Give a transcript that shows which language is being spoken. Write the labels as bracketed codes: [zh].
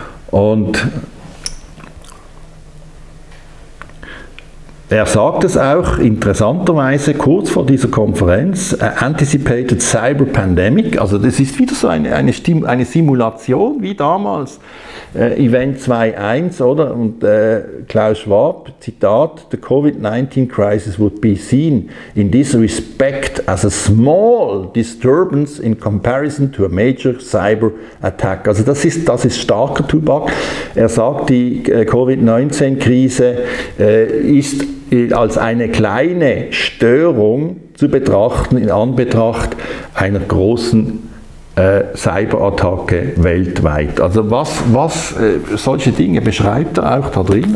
[de] Und er sagt es auch interessanterweise kurz vor dieser Konferenz, [en] anticipated cyber pandemic, [de] also das ist wieder so eine Simulation wie damals, Event 2.1, oder? Und Klaus Schwab, Zitat, [en] the COVID-19 crisis would be seen in this respect as a small disturbance in comparison to a major cyber attack. [de] Also das ist starker Tobak. Er sagt, die COVID-19-Krise ist als eine kleine Störung zu betrachten in Anbetracht einer großen Cyberattacke weltweit. Also was solche Dinge beschreibt er auch da drin.